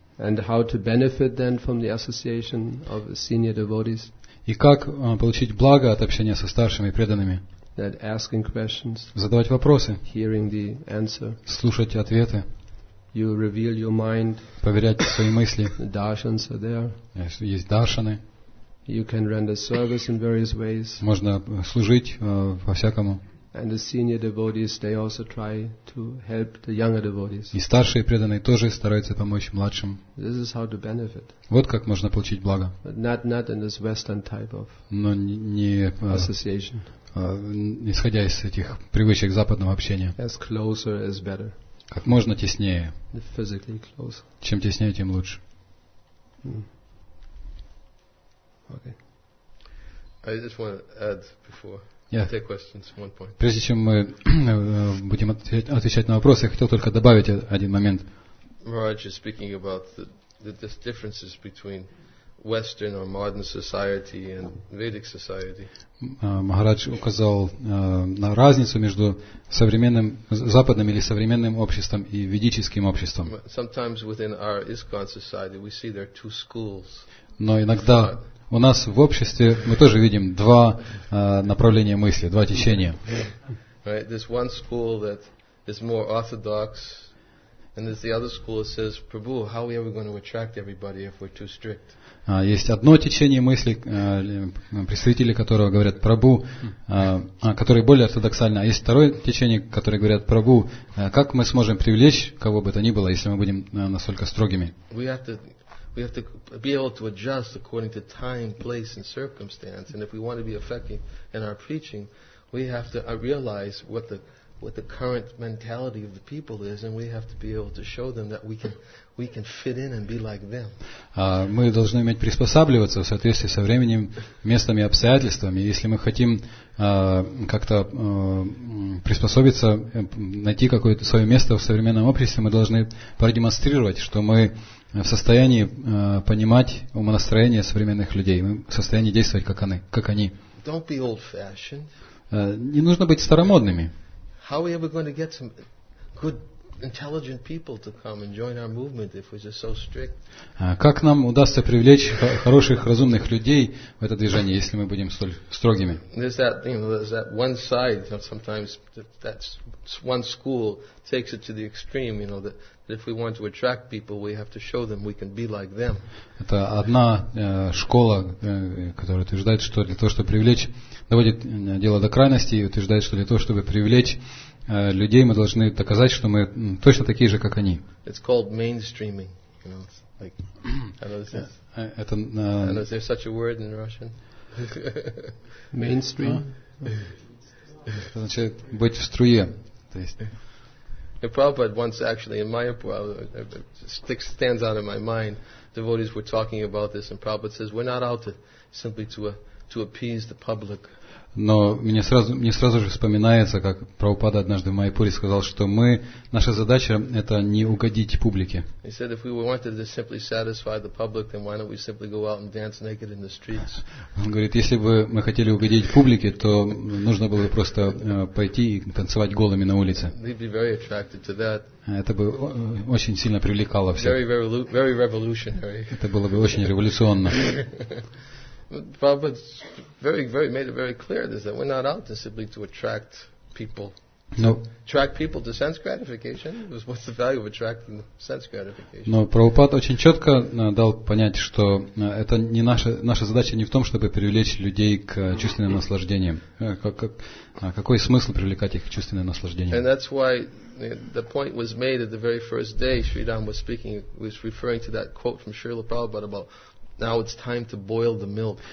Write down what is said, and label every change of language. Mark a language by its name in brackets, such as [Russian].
[English] And how to benefit then from the association of senior devotees? [Russian] И как получить благо от общения со старшими преданными? [English] That asking questions. [Russian] Задавать вопросы. [English] Hearing the answer. [Russian] Слушать ответы. [English] You reveal your mind. [Russian] Поверять свои мысли. [English] Darshans are there. [Russian] Есть даршаны. [English] You can render service in various ways. [Russian] Можно служить по всякому. [English] And the senior devotees, they also try to help the younger devotees. [Russian] И старшие преданные тоже стараются помочь младшим. [English] This is how to benefit. [Russian] Вот как можно получить благо. [English] But not in this Western type of association. [Russian] Исходя из этих привычек западного общения. [English] As closer is better. [Russian] Как можно теснее. [English] Physically close. [Russian] Чем теснее, тем лучше. [English] Okay. I just want to add before. Yeah. Take questions one point. [Russian] Прежде чем мы будем отвечать на вопросы, я хотел только добавить один момент. [English] Maharaj is speaking about the differences between Western or modern society and Vedic society. [Russian] Махарадж указал на разницу между современным западным или современным обществом и ведическим обществом. [English] Sometimes within our ISKCON society we see there are two schools. [Russian] Но иногда у нас в обществе мы тоже видим два направления мысли, два течения. [English] Right, there's one school that is more orthodox. And there's the other school that says, Prabhu, how are we ever going to attract everybody if we're too strict? [Russian] Есть одно течение мысли, представители которого говорят Прабу, которые более ортодоксальны, а есть второе течение, которое говорят Прабу, как мы сможем привлечь кого бы то ни было, если мы будем настолько строгими? [English] We have to be able to adjust according to time, place and circumstance. And if we want to be effective in our preaching, we have to realize what the current mentality of the people is, and we have to be able to show them that we can fit in and be like them. [Russian] Мы должны уметь приспосабливаться в соответствии со временем, местом и обстоятельствами. Если мы хотим как-то приспособиться, найти какое-то свое место в современном обществе, мы должны продемонстрировать, что мы в состоянии понимать умонастроение современных людей, мы в состоянии действовать как они. [English] Don't be old-fashioned. [Russian] Не нужно быть старомодными. [English] How are we going to get some good, intelligent people to come and join our movement if we're just so strict? [Russian] Как нам удастся привлечь хороших, разумных людей в это движение, если мы будем столь строгими? [English] There's that one side. You know, sometimes that's one school takes it to the extreme. You know that. If we want to attract people, we have to show them we can be like them. [Russian] Это одна школа, которая утверждает, что для того, чтобы привлечь, доводит дело до крайности, и утверждает, что для того, чтобы привлечь людей, мы должны доказать, что мы точно такие же, как они. [English] It's called mainstreaming. You know, it's like, I know this is. [Russian] Это. [English] Is there such a word in Russian? Mainstream. [Russian] Это значит быть в струе, то есть. [English] And Prabhupada once actually in Mayapur, it stands out in my mind, devotees were talking about this, and Prabhupada says, we're not out to simply appease the public. [Russian] Но мне сразу же вспоминается, как Прабхупада однажды в Майпуре сказал, что мы, наша задача это не угодить публике. [English] He said, if we wanted to simply satisfy the public, then why don't we simply go out and dance naked in the streets? [Russian] Он говорит, если бы мы хотели угодить публике, то нужно было бы просто пойти и танцевать голыми на улице. [English] They'd be very attracted to that. [Russian] Это бы очень сильно привлекало всех. [English] Very, very, very revolutionary. [Russian] Это было бы очень революционно. [English] Prabhupada very, very made it very clear this, that we're not out to simply to attract people. No, attract people to sense gratification. What's the value of attracting sense gratification? [Russian] Но Прабхупад очень четко дал понять, что это не наша задача не в том, чтобы привлечь людей к чувственным наслаждениям. Какой смысл привлекать их к чувственным наслаждениям? [English] And that's why the point was made at the very first day. Sri Ram was speaking, was referring to that quote from Srila Prabhupada about now it's time to boil the milk.